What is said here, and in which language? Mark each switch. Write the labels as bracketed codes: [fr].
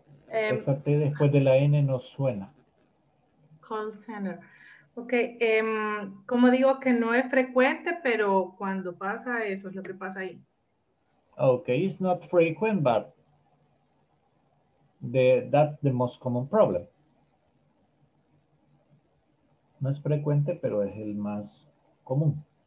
[es] Esa T después de la N no suena. [en] Call center. Okay. [es] Como digo que no es frecuente, pero cuando pasa eso es lo que pasa ahí. [en] Okay, it's not frequent, but that's the most common problem. [es] No es frecuente, pero es el más común.